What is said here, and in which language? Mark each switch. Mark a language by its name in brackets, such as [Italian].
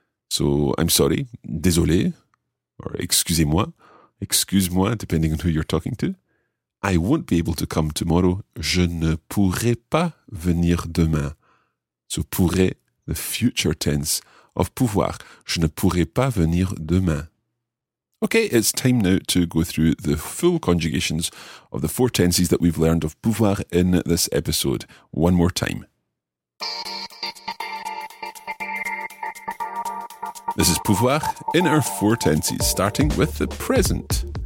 [English] So I'm sorry, [French] désolé, [English] or [French] excusez-moi. Excuse-moi, [English] depending on who you're talking to. I won't be able to come tomorrow. [French] Je ne pourrai pas venir demain. [English] So pourrai, the future tense of pouvoir. [French] Je ne pourrai pas venir demain. [English] Okay, it's time now to go through the full conjugations of the four tenses that we've learned of pouvoir in this episode. One more time. This is Pouvoir in our four tenses, starting with the present.